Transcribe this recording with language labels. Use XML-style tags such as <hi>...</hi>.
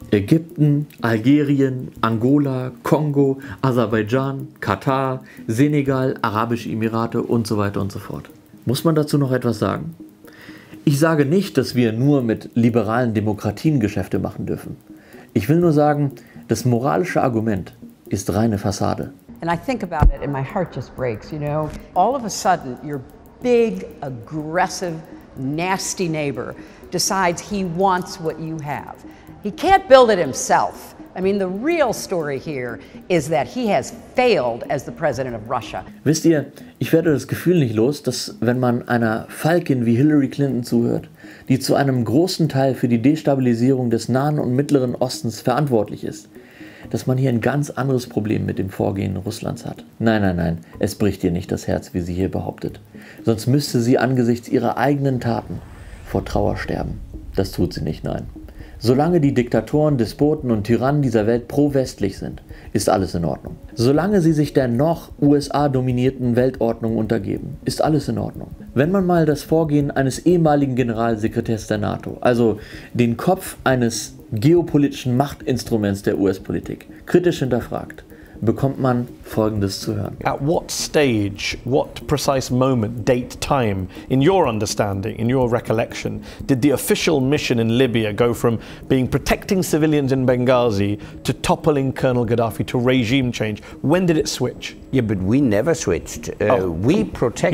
<de>Ägypten, Algerien, Angola, Kongo, Aserbaidschan, Katar, Senegal, Arabische Emirate und so weiter und so fort. Muss man dazu noch etwas sagen? Ich sage nicht, dass wir nur mit liberalen Demokratien Geschäfte machen dürfen. Ich will nur sagen, das moralische Argument ist reine Fassade.</de> <en>And I think about it and my heart just breaks, you know. All of a sudden your big, aggressive, nasty neighbor decides he wants what you have. He can't build it himself. I mean, the real story here is that he has failed as the president of Russia.</en> <de>Wisst ihr, ich werde das Gefühl nicht los, dass wenn man einer Falkin wie Hillary Clinton zuhört, die zu einem großen Teil für die Destabilisierung des Nahen und Mittleren Ostens verantwortlich ist, dass man hier ein ganz anderes Problem mit dem Vorgehen Russlands hat. Nein, nein, nein, es bricht ihr nicht das Herz, wie sie hier behauptet. Sonst müsste sie angesichts ihrer eigenen Taten vor Trauer sterben. Das tut sie nicht, nein. Solange die Diktatoren, Despoten und Tyrannen dieser Welt pro-westlich sind, ist alles in Ordnung. Solange sie sich der noch USA-dominierten Weltordnung untergeben, ist alles in Ordnung. Wenn man mal das Vorgehen eines ehemaligen Generalsekretärs der NATO, also den Kopf eines geopolitischen Machtinstruments der US-Politik, kritisch hinterfragt, bekommt man Folgendes zu hören.</de> <en>At what stage, what precise moment, date, time, in your understanding, in your recollection, did the official mission in Libya go from being protecting civilians in Benghazi to toppling Colonel Gaddafi to regime change? When did it switch? Yeah, but we never switched. We protected...</en>